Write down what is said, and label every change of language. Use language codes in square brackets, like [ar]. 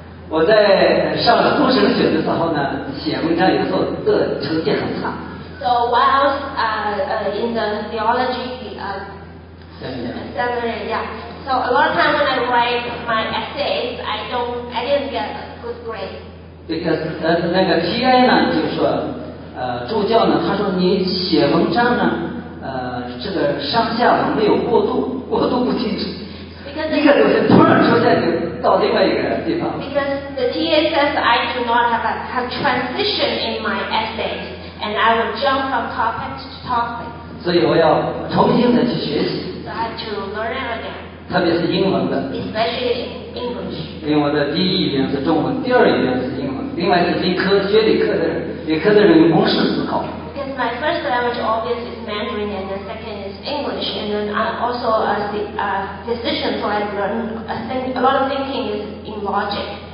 [zh] 我在上工程学的时候呢，写文章以后，这成绩很差。 [en] So while in the theology seminary, yeah. So a lot of time when I write my essays, I didn't get a good grade. Because [zh] 那个 TA 呢，就说助教呢，他说你写文章呢，这个上下文没有过渡不清楚。一个东西突然出现就到另外一个地方。 [en] Because the TA says I do not have a transition in my essays, and I will jump from topic to topic. [zh] 所以我要重新的去学习。 [en] So I have to learn again. [zh] 特别是英文的。 [en] Especially in English. [zh] 因为我的第一语言是中文，第二语言是英文，另外是理科学理科的人用公式思考。 [en] Because my first language obviously is Mandarin, and the second is English, and then I also as a physician, so I learn a lot of thinking is in logic.